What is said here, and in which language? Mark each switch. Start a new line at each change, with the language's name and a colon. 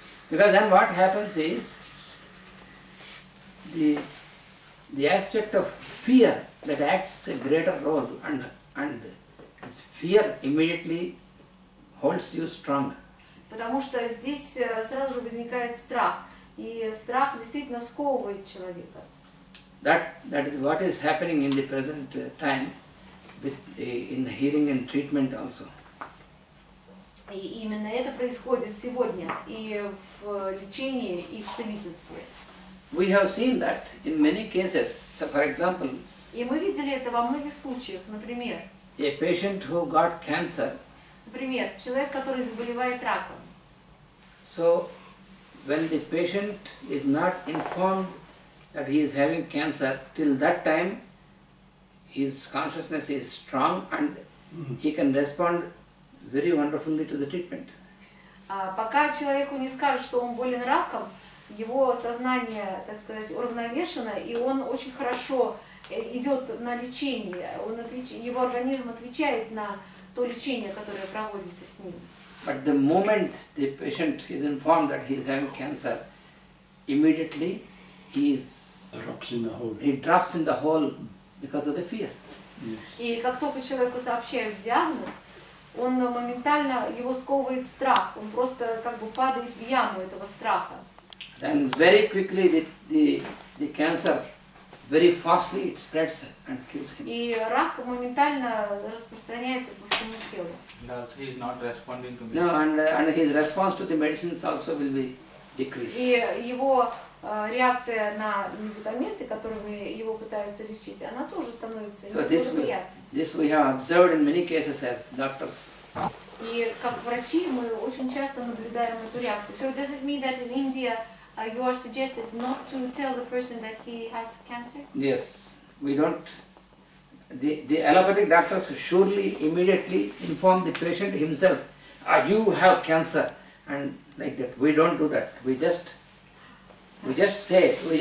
English: Because then what happens is the aspect of fear that acts a greater role and this fear immediately holds you strong.
Russian: Потому что здесь сразу же возникает страх, и страх действительно сковывает человека.
English: That is what is happening in the present time with in the healing and treatment also.
Russian: И именно это происходит сегодня и в лечении, и в целительстве.
English: We have seen that in many cases, so for example.
Russian: И мы видели это во многих случаях, например.
English: A patient who got cancer.
Russian: Например, человек, который заболевает раком.
English: So, when the patient is not informed that he is having cancer, till that time, his consciousness is strong and he can respond very wonderfully to the treatment.
Russian: Пока человеку не скажут, что он болен раком, его сознание, так сказать, уравновешено, и он очень хорошо идет на лечение. Его организм отвечает на то лечение, которое проводится с ним.
English: But the moment the patient is informed that he is having cancer, immediately he drops in the hole because of the fear.
Russian: И как только человеку сообщают диагноз, он моментально, его сковывает страх, он просто как бы падает в яму этого страха.
English: Then very quickly the cancer, very fastly it spreads and kills him.
Russian: И рак моментально распространяется по всему телу.
English: No, and his response to the medicines also will be decreased.
Russian: И его реакция на медикаменты, которыми его пытаются лечить, она тоже становится неприятной.
English: This we have observed in many cases as doctors.
Russian: И как врачи мы очень часто наблюдаем эту реакцию.
English: So does it mean that in India you are suggested not to tell the person that he has cancer? Yes, we don't. The allopathic doctors surely immediately inform the patient himself. You have cancer, and like that. We don't do that. We just say.